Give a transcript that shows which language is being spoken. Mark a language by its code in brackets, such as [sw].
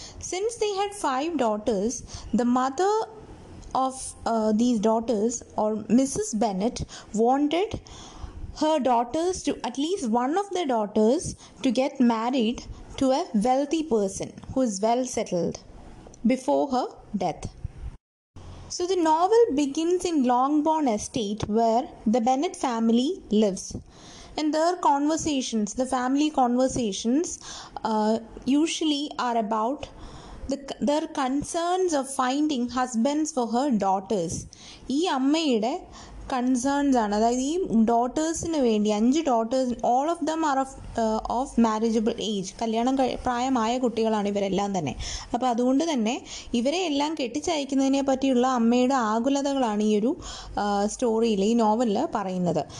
[en] Since they had 5 daughters, the mother of these daughters or Mrs Bennet wanted her daughters to at least one of their daughters to get married to a wealthy person who is well settled before her death. So the novel begins in Longbourn estate where the Bennet family lives. And their conversations, the family conversations usually are about their concerns of finding husbands for her daughters. [ml] ഈ അമ്മയുടെ concerns ആണ്, അതായത് ഈ ഡോട്ടേഴ്സിന് വേണ്ടി, [en] 5 daughters all of them are of marriageable age, [ml] കല്യാണം പ്രായമായ കുട്ടികളാണ് ഇവരെല്ലാം തന്നെ. അപ്പോൾ അതുകൊണ്ട് തന്നെ ഇവരെ എല്ലാം കെട്ടിച്ചയക്കുന്നതിനെ പറ്റിയുള്ള അമ്മയുടെ ആകുലതകളാണ് ഈ ഒരു സ്റ്റോറിയിൽ, ഈ നോവലിൽ പറയുന്നത്.